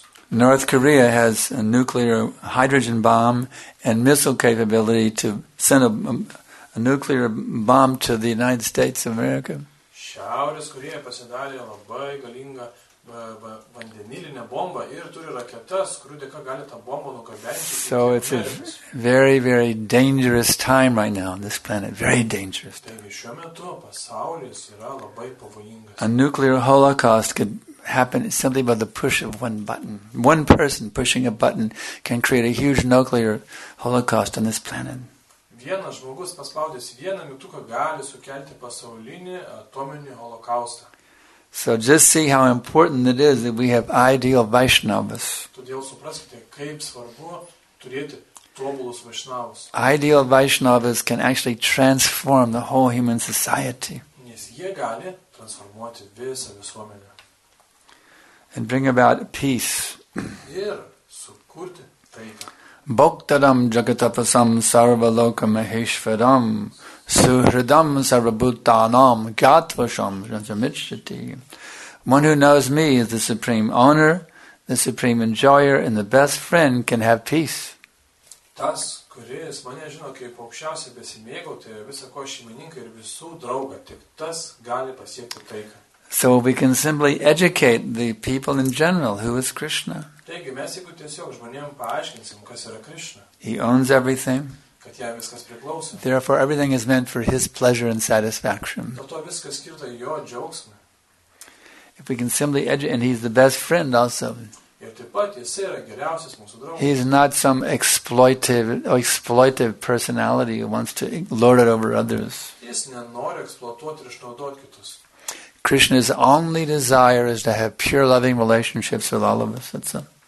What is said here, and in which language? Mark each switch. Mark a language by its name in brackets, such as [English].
[English] North Korea has a nuclear hydrogen bomb and missile capability to send a nuclear bomb to the United States of America. [Lithuanian] Šiaurės Korėja pasidarė labai galingą vandenilinę bombą ir turi raketas, kurių dėka gali tą bombą nukabinti. [English] So it's a very, very dangerous time right now on this planet. Very dangerous. [Lithuanian] Taigi šiuo metu pasaulis yra labai pavojingas. [English] A nuclear holocaust could happen simply by the push of one button. One person pushing a button can create a huge nuclear holocaust on this planet. [Lithuanian] Vienas žmogus paspaudęs vieną mygtuką gali sukelti pasaulinį atominį holokaustą. [English] So just see how important it is that we have ideal Vaishnavas. [Lithuanian] Todėl supraskite, kaip svarbu turėti tobulus Vaishnavas. [English] Ideal Vaishnavas can actually transform the whole human society. [Lithuanian] Nes jie gali transformuoti visą visuomenę. [English] And bring about peace. [Lithuanian] Ir sukurti taiką. [Sanskrit] Bhaktaram jagatapasam sarvaloka maheshvaram suhridam sarvabhutanam gyatvasham jantramichyati. [English] One who knows me is the supreme owner, the supreme enjoyer, and the best friend can have peace. [Lithuanian] Tas, kuris mane žino kaip aukščiausiai besimėgautoją, visą ko šeimininką ir visų draugą, tik tas gali pasiekti taiką. [English] So we can simply educate the people in general, who is Krishna. [Lithuanian] Taigi mes jeigu tiesiog žmonėm paaiškinsim, kas yra Krishna. [English] He owns everything. [Lithuanian] Kad jam viskas priklauso. [English] Therefore everything is meant for his pleasure and satisfaction. [Lithuanian] Dėl to viskas skirta jo džiaugsmui. [English] If we can simply educate, and he's the best friend also. [Lithuanian] Ir taip pat jis yra geriausias mūsų draugas. [English] He is not some exploitive personality who wants to lord it over others. [Lithuanian] Jis nenori eksploatuoti ir išnaudoti kitus. [English] Krishna's only desire is to have pure loving relationships with all of us. That's it.